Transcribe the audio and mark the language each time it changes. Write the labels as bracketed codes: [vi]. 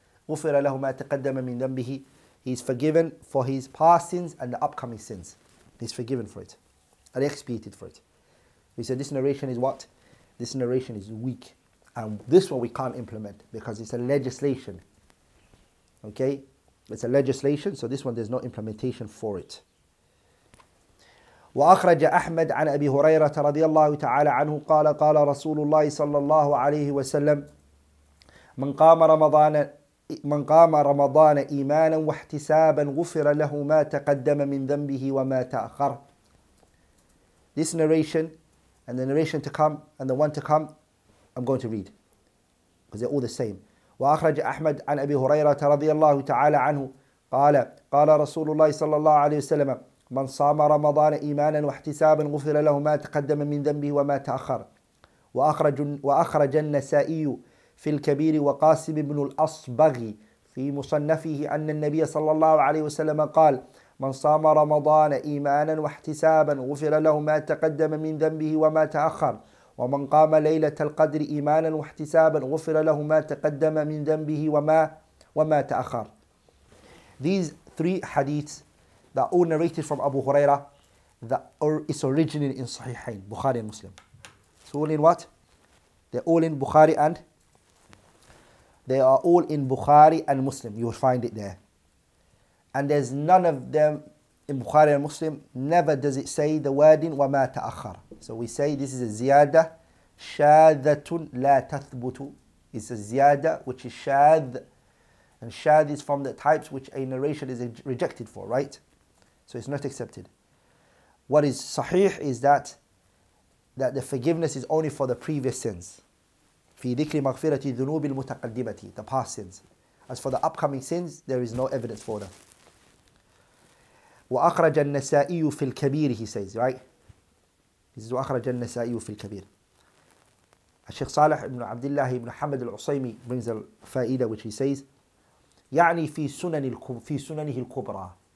[ar] غفر له ما تقدم من ذنبه, [en] he's forgiven for his past sins and the upcoming sins. He's forgiven for it. And expiated for it. He said, this narration is what? This narration is weak. And this one we can't implement because it's a legislation. Okay? It's a legislation. So this one, there's no implementation for it. [ar] وأخرج أحمد عن أبي هريرة رضي الله تعالى عنه قال قال رسول الله صلى الله عليه وسلم من قام رمضان إيمانا واحتسابا غفر له ما تقدم من ذنبه وما تأخر. [en] This narration and the narration to come and the one to come, I'm going to read because they're all the same. [ar] وأخرج أحمد عن أبي هريرة رضي الله تعالى عنه قال قال رسول الله صلى الله عليه وسلم من صام رمضان إيمانا واحتسابا غفر له ما تقدم من ذنبه وما تأخر. وأخرج النسائي في الكبير وقاسم بن الأصبغ في مصنفه أن النبي صلى الله عليه وسلم قال من صام رمضان إيمانا واحتسابا غفر له ما تقدم من ذنبه وما تأخر ومن قام ليلة القدر إيمانا واحتسابا غفر له ما تقدم من ذنبه وما تأخر. [en] These three hadiths that are all narrated from Abu Huraira that is originally in Sahihain, Bukhari and Muslim. It's all in what? They're all in Bukhari and they are all in Bukhari and Muslim. You will find it there. And there's none of them in Bukhari and Muslim. Never does it say the word in [ar] وَمَا تَأَخَّرَ. [en] So we say this is a ziyada [ar] شَاذَةٌ لَا تَثْبُتُ. [en] It's a ziyada which is شَاذ. And شَاذ is from the types which a narration is rejected for, right? So it's not accepted. What is sahih is that the forgiveness is only for the previous sins. [ar] في ذكر مغفرة ذنوب المتقدمة, [en] the past sins. As for the upcoming sins, there is no evidence for them. [ar] وأخرج النسائي في الكبير, [en] he says, right? This is [ar] وأخرج النسائي في الكبير. الشيخ صالح بن عبد الله بن حمد العصيمي [en] brings a [ar] فائدة [en] which he says, [ar] يعني في سنن في سننه الكبرى.